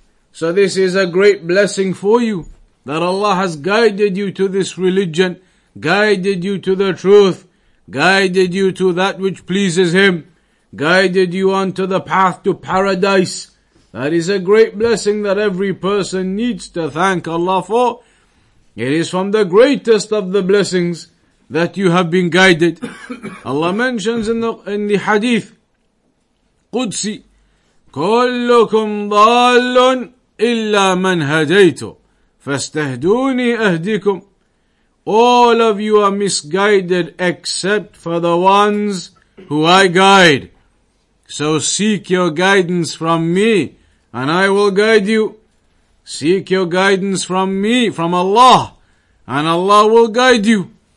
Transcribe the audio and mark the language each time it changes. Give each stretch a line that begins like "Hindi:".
English: So this is a great blessing for you, that Allah has guided you to this religion, guided you to the truth, guided you to that which pleases Him, guided you onto the path to paradise. That is a great blessing that every person needs to thank Allah for. It is from the greatest of the blessings that you have been guided. Allah mentions in the hadith, Qudsi,
Arabic: كلكم ضال إلا من هديته فاستهدوني أهديكم.
English: All of you are misguided except for the ones who I guide. So seek your guidance from me, and I will guide you. Seek your guidance from me, from Allah, and Allah will guide you.